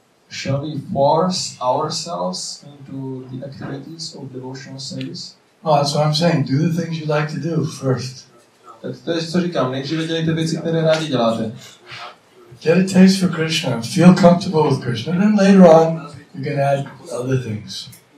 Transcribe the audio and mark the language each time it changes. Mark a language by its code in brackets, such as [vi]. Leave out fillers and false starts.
[en] Shall we force ourselves into the activities of devotional service? No, that's what I'm saying. Do the things you like to do first. [cs] Tak to je, co říkám. Nejdříve dělejte věci, které rádi děláte. [en] Get a taste for Krishna. Feel comfortable with Krishna. And then later on, you can add other things.